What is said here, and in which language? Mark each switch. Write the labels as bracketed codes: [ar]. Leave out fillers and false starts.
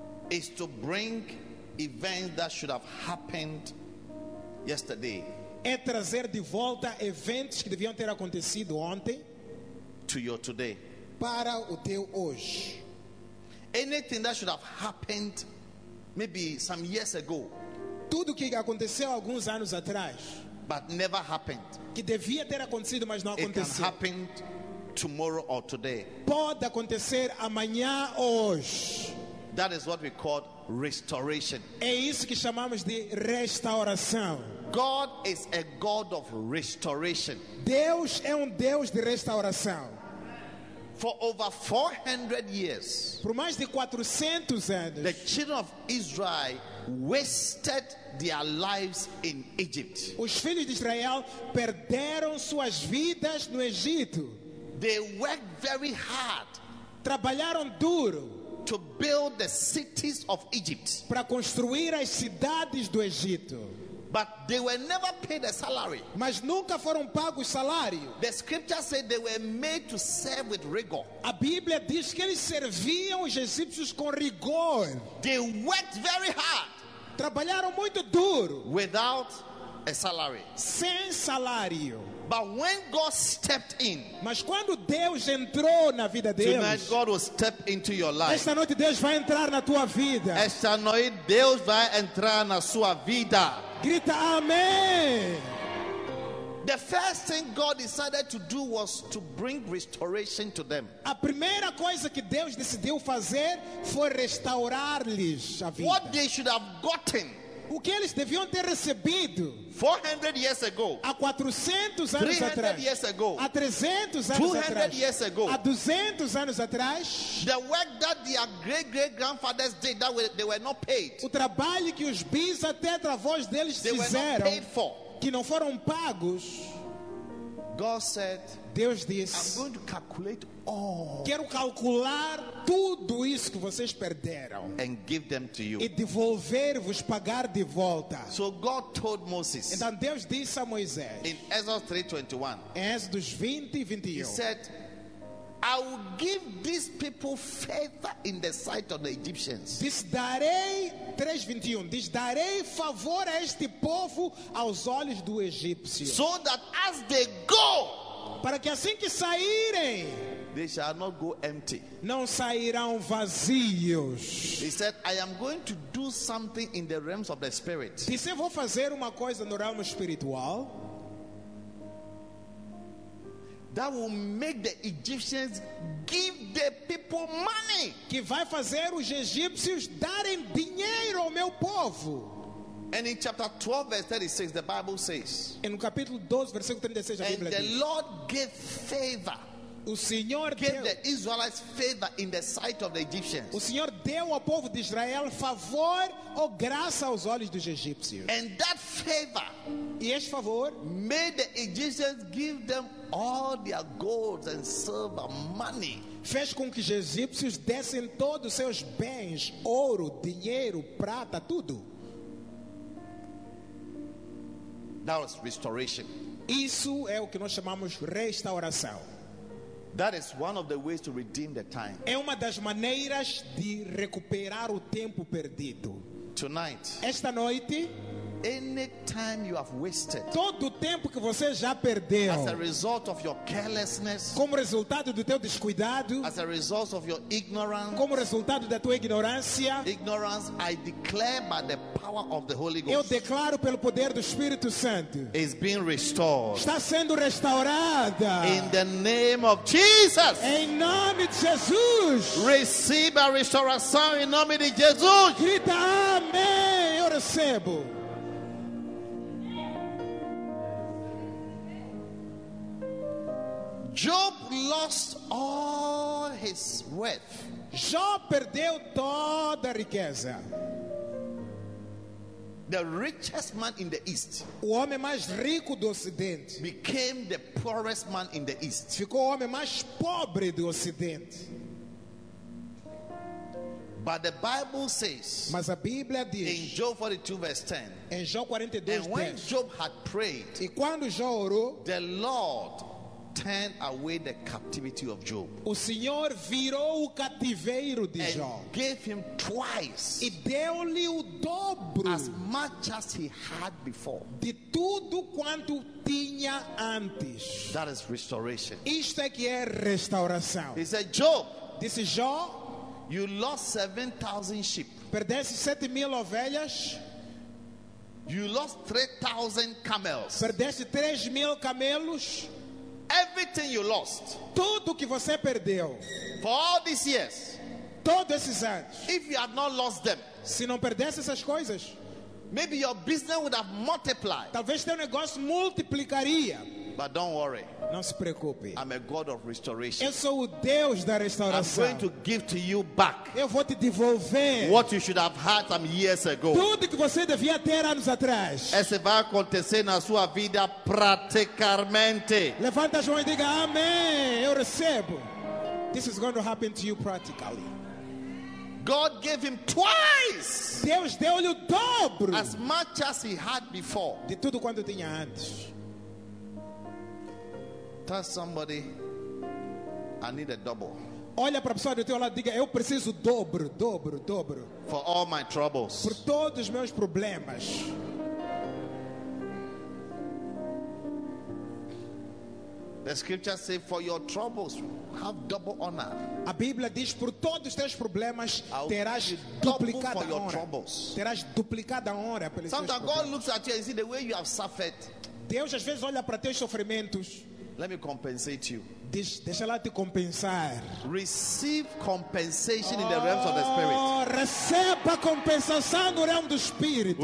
[en] is to bring events that should have happened yesterday. [pt] É trazer de volta eventos que deviam ter acontecido ontem [en] to your today. [pt] Para o teu hoje. [en] Anything that should have happened maybe some years ago. [pt] Tudo que aconteceu alguns anos atrás, [en] but never happened. [pt] Que devia ter acontecido, mas não aconteceu. [en] It can happen tomorrow or today. [pt] Pode acontecer amanhã ou hoje. [en] That is what we call restoration. [pt] É isso que chamamos de restauração. [en] God is a God of restoration. [pt] Deus é Deus de restauração. [en] For over 400 years, [pt] por mais de 400 anos, [en] the children of Israel wasted their lives in Egypt. [pt] Os filhos de Israel perderam suas vidas no Egito. [en] They worked very hard. [pt] Trabalharam duro. [en] To build the cities of Egypt. [pt] Para construir as cidades do Egito. [en] But they were never paid a salary. [pt] Mas nunca foram pagos salário. [en] The scripture said they were made to serve with rigor. [pt] A Bíblia diz que eles serviam os egípcios com rigor. [en] They worked very hard. [pt] Trabalharam muito duro. [en] Without a salary. [pt] Sem salário. [en] But when God stepped in, [pt] mas quando Deus entrou na vida deles, [en] tonight God will step into your life. [pt] Esta noite Deus vai entrar na tua vida. Esta noite Deus vai entrar na sua vida. Grita amém. [en] The first thing God decided to do was to bring restoration to them. [pt] A primeira coisa que Deus decidiu fazer foi restaurar-lhes a vida. [en] What they should have gotten. [pt] O que eles deviam ter recebido [en] 400 years ago, [pt] há 400 anos [en] 300 [pt] atrás, [en] years ago, [pt] há 300 anos [en] 200 [pt] atrás, [en] years ago, [pt] há 200 anos atrás, [en] the work that their great-great-grandfathers did, that they were not paid. [pt] O trabalho que os bisatetravós deles [en] they [pt] fizeram, [en] were not paid for. [pt] Que não foram pagos, [en] God said, [pt] Deus disse, [en] I'm going to calculate all. [pt] Quero calcular tudo isso que vocês perderam. [en] And give them to you. [pt] E devolver-vos, pagar de volta. [en] So God told Moses, [pt] então Deus disse a Moisés. [en] In Exodus 3:21, [pt] em Exodus 20 e 21. [en] He said, I will give these people favor in the sight of the Egyptians. [pt] Diz darei 3:21. Diz darei favor a este povo aos olhos do egípcio. [en] So that as they go, [pt] para que assim que saírem, [en] they shall not go empty. [pt] Não sairão vazios. [en] He said, I am going to do something in the realms of the spirit. [pt] Diz eu vou fazer uma coisa no ramo espiritual. [en] That will make the Egyptians give the people money. [pt] Que vai fazer os egípcios darem dinheiro ao meu povo. [en] And in chapter 12, verse 36, the Bible says. [pt] E no capítulo 12, versículo 36, a Bíblia diz. [en] And the Lord gave favor. [pt] O Senhor [en] gave the Israelites favor in the sight of the Egyptians. [pt] O Senhor deu ao povo de Israel favor ou graça aos olhos dos egípcios. [en] And that favor. [pt] E este favor [en] made the Egyptians give them all their gold and silver money. [pt] Fez com que os egípcios dessem todos os seus bens, ouro, dinheiro, prata, tudo. [en] That was restoration. [pt] Isso é o que nós chamamos restauração. [en] That is one of the ways to redeem the time. [pt] É uma das maneiras de recuperar o tempo perdido. [en] Tonight. [pt] Esta noite. [en] Any time you have wasted. [pt] Todo o tempo que você já perdeu. [en] As a result of your carelessness. [pt] Como resultado do teu descuidado. [en] As a result of your ignorance. [pt] Como resultado da tua ignorância. [en] Ignorance, I declare by the power of the Holy Ghost. [pt] Eu declaro pelo poder do Espírito Santo. [en] Is being restored. [pt] Está sendo restaurada. [en] In the name of Jesus. [pt] Em nome de Jesus. [en] Receive [pt] a restoração em nome de Jesus. Grita amém. Eu recebo. [en] Job lost all his wealth. [pt] Jó perdeu toda a riqueza. [en] The richest man in the East. [pt] O homem mais rico do Ocidente. [en] Became the poorest man in the East. [pt] Ficou o homem mais pobre do Ocidente. [en] But the Bible says. [pt] Mas a Bíblia diz. [en] In Job 42 verse 10. [pt] Em Jó 42 [en] verse 10. And when Job had prayed. [pt] E quando Jó orou. [en] The Lord. Turn away the captivity of Job. [pt] O Senhor virou o cativeiro de Jó. [en] Gave him twice. [pt] E deu-lhe o dobro. [en] As much as he had before. [pt] De tudo quanto tinha antes. [en] That is restoration. [pt] Isto é que é restauração. [en] He said, Job. [pt] Disse Jó. [en] You lost 7,000 sheep. [pt] Perdeste 7,000 ovelhas. [en] You lost 3,000 camels. [pt] Perdeste 3,000 camelos. [en] Everything you lost. [pt] Tudo que você perdeu. [en] For all these years. [pt] Todos esses anos. [en] If you had not lost them. [pt] Se não perdesse essas coisas. [en] Maybe your business would have multiplied. [pt] Talvez teu negócio multiplicaria. [en] But don't worry. [pt] Não se preocupe. [en] I'm a God of restoration. [pt] Eu sou o Deus da restauração. [en] I'm going to give to you back. [pt] Eu vou te devolver. [en] What you should have had some years ago. [pt] Tudo que você devia ter anos atrás. Isso vai acontecer na sua vida praticamente. Levanta as mãos e diga amém. Eu recebo. [en] This is going to happen to you practically. God gave him twice. [pt] Deus deu-lhe o dobro. [en] As much as he had before. [pt] De tudo quanto tinha antes. [en] Tell somebody, I need a double. [pt] Olha para a pessoa do teu lado e diga, eu preciso dobro, dobro, dobro. [en] For all my troubles. [pt] Por todos os meus problemas. [en] The scripture says, for your troubles, have double honor. [pt] A Bíblia diz, por todos os teus problemas, terás duplicada honra. [en] Your troubles. [pt] Terás duplicada honra pelos [en] Sometimes [pt] teus problemas. [en] God looks at you and see the way you have suffered. [pt] Deus às vezes olha para teus sofrimentos. [en] Let me compensate you. [pt] Deixa lá te compensar. [en] Receive compensation in the realms of the spirit. [pt] Receba compensação no reino do espírito.